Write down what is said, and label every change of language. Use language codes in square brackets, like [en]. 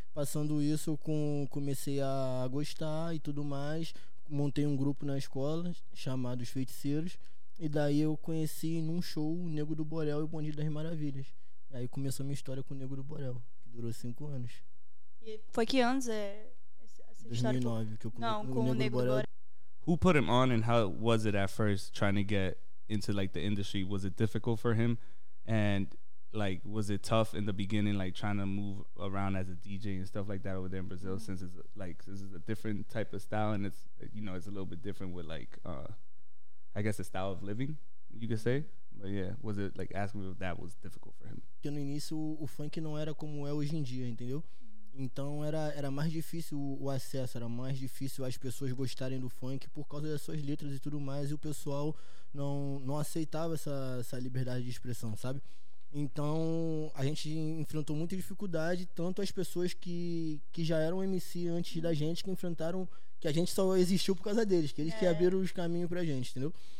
[pt] Passando isso, eu comecei a gostar e tudo mais. Montei um grupo na escola chamado Os Feiticeiros. E daí eu conheci num show o Nego do Borel e o Bonde das Maravilhas. E aí começou minha história com o Nego do Borel, que durou 5 anos. E foi que anos? 2009, que eu comecei com o Nego do Borel. [en] Who put him on and how was it at first trying to get into like the industry? Was it difficult for him? And like, was it tough in the beginning, like, trying to move around as a DJ and stuff like that over there in Brazil, since it's, like, this is a different type of style, and it's, you know, it's a little bit different with, like, I guess the style of living, you could say? But, yeah, was it, like, asking if that was difficult for him? [pt] Porque no início, o funk não era como é hoje em dia, entendeu? Então, era mais difícil o acesso, era mais difícil as pessoas gostarem do funk por causa das suas letras e tudo mais, e o pessoal não aceitava essa liberdade de expressão, sabe? Então, a gente enfrentou muita dificuldade, tanto as pessoas que já eram MC antes da gente, que enfrentaram, que a gente só existiu por causa deles, que eles que abriram os caminhos pra gente, entendeu?